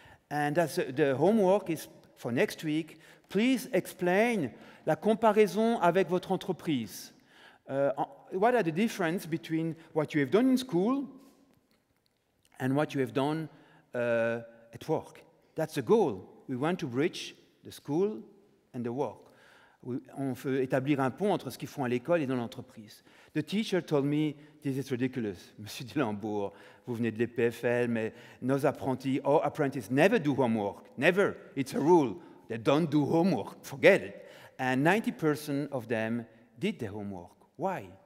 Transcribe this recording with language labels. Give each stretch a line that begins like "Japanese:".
English: And that's the homework is for next week. Please explain
French: la comparaison avec votre entreprise.
English: What are the differences between what you have done in school and what you have done at work? That's the goal. We want to bridge the school and the work.
French: On veut établir un pont entre ce qu'ils font à l'école et dans l'entreprise.
English: The teacher told me, this is ridiculous,
French: Monsieur Dillenbourg, vous venez de l'EPFL, mais nos apprentis,
English: our apprentices never do homework, never, it's a rule. They don't do homework, forget it. And 90% of them did their homework. Why?